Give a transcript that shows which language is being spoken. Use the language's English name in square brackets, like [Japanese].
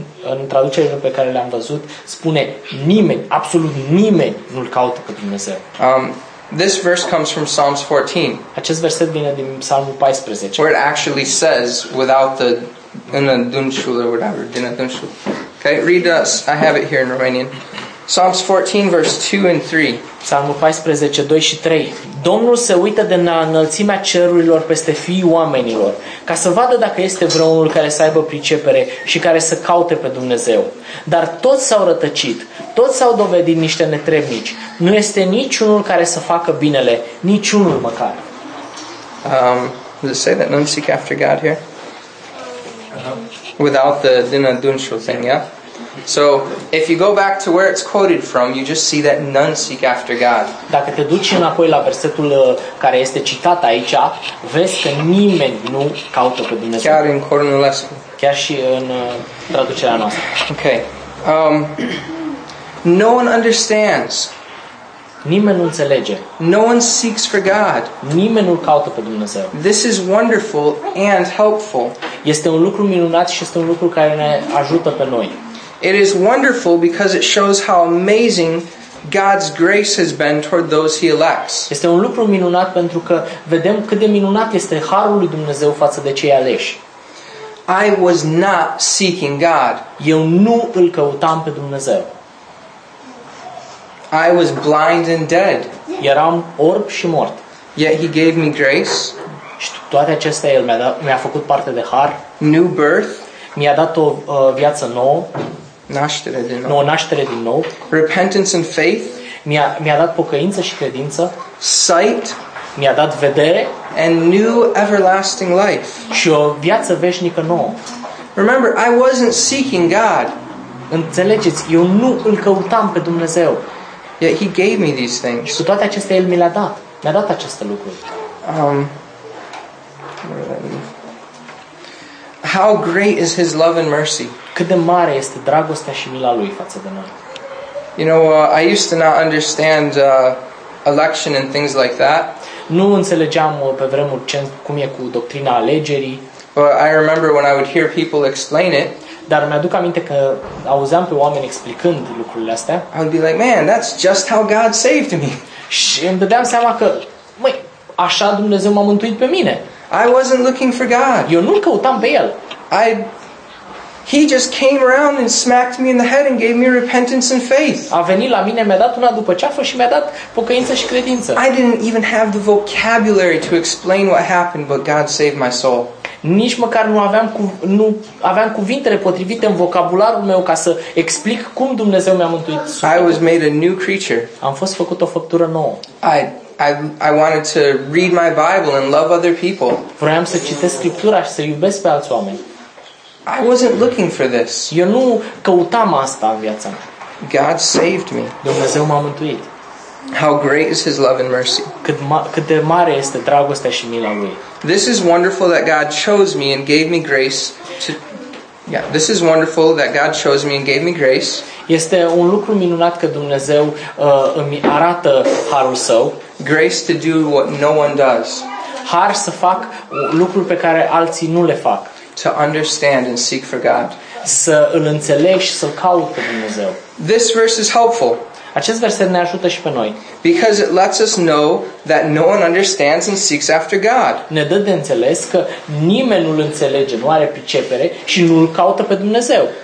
[Romanian] În traducerile pe care le-am văzut, spune nimeni, absolut nimeni nu-l caută pe Dumnezeu. [English] This verse comes from Psalms 14. [Romanian] Acest verset vine din Psalmul 14. [English] Where it actually says without the in a dunshul or whatever, din a dunshul. Okay, read us. I have it here in Romanian. Psalms 14, verse 2 and 3. [Romanian] Psalmul 14, 2 și 3. Domnul se uită de la înălțimea cerurilor peste fiii oamenilor, ca să vadă dacă este vreunul care să aibă pricepere și care să caute pe Dumnezeu. Dar toți s-au rătăcit, toți s-au dovedit niște netrebnici. Nu este niciunul care să facă binele, niciunul măcar. [English] Does it say that none seek after God here? Without the din adunshul thing, yeah? So, if you go back to where it's quoted from, you just see that none seek after God. [Romanian] Dacă te duci înapoi la versetul care este citat aici, vezi că nimeni nu caută pe Dumnezeu. Chiar în Cornulescu. Chiar și în traducerea noastră. [English] Okay. No one understands. [Romanian] Nimeni nu înțelege. [English] No one seeks for God. [Romanian] Nimeni nu caută pe Dumnezeu. [English] This is wonderful and helpful. [Romanian] Este un lucru minunat și este un lucru care ne ajută pe noi. [English] It is wonderful because it shows how amazing God's grace has been toward those he elects. [Romanian] Este un lucru minunat pentru că vedem cât de minunat este harul lui Dumnezeu față de cei aleși. [English] I was not seeking God. [Romanian] Eu nu îl căutam pe Dumnezeu. [English] I was blind and dead. [Romanian] Eram orb și mort. [English] Yet he gave me grace. [Romanian] Și toate acestea el mi-a făcut parte de har. [English] New birth. [Romanian] Mi-a dat o viață nouă. [English] Naștere din nou. [Romanian] O naștere din nou. [English] Repentance and faith. [Romanian] Mi-a dat pocăință și credință. [English] Sight. [Romanian] Mi-a dat vedere. [English] And new everlasting life. [Romanian] Și o viață veșnică nouă. [English] Remember, I wasn't seeking God. [Romanian] Înțelegeți, eu nu îl căutam pe Dumnezeu. [English] Yet he gave me these things. [Romanian] Și cu toate acestea el mi le-a dat. Mi-a dat aceste lucruri. [English] How great is his love and mercy. [Romanian] Cât de mare este dragostea și mila lui față de noi. [English] You know, I used to not understand election and things like that. [Romanian] Nu înțelegeam pe vremuri ce cum e cu doctrina alegerii. [English] But I remember when I would hear people explain it. [Romanian] Dar mi-aduc aminte că auzeam pe oameni explicând lucrurile astea. [English] I would be like, man, that's just how God saved me. [Romanian] Și îmi dădeam seama că, măi, așa Dumnezeu m-a mântuit pe mine. [English] I wasn't looking for God. [Romanian] Eu nu-l căutam pe el. [English] He just came around and smacked me in the head and gave me repentance and faith. [Romanian] A venit la mine, mi-a dat una după ceafă și mi-a dat pocăință și credință. [English] I didn't even have the vocabulary to explain what happened, but God saved my soul. [Romanian] Nici măcar nu aveam cuvintele potrivite în vocabularul meu ca să explic cum Dumnezeu mi-a mântuit sufletul. [English] I was made a new creature. [Romanian] Am fost făcut o făptură nouă. [English] I wanted to read my Bible and love other people. [Romanian] Vroiam să citesc Scriptura și să iubesc pe alți oameni. [English] I wasn't looking for this. [Romanian] Eu nu căutam asta în viața mea. [English] God saved me. [Romanian] Dumnezeu m-a mântuit. [English] How great is his love and mercy. [Romanian] Cât de mare este dragostea și mila lui. [English] This is wonderful that God chose me and gave me grace to this is wonderful that God chose me and gave me grace. [Romanian] Este un lucru minunat că Dumnezeu îmi arată harul său. [English] Grace to do what no one does. [Romanian] Har să fac lucruri pe care alții nu le fac. [English] To understand and seek for God. [Romanian] Să îl înțelegi și să-l caut pe Dumnezeu. [English] This verse is helpful. [Romanian] Acest verset ne ajută și pe noi. [English] Because it lets us know that no one understands and seeks after God. [Romanian] Ne dă de înțeles că nimeni nu-l înțelege, nu are pricepere și nu-l caută pe Dumnezeu.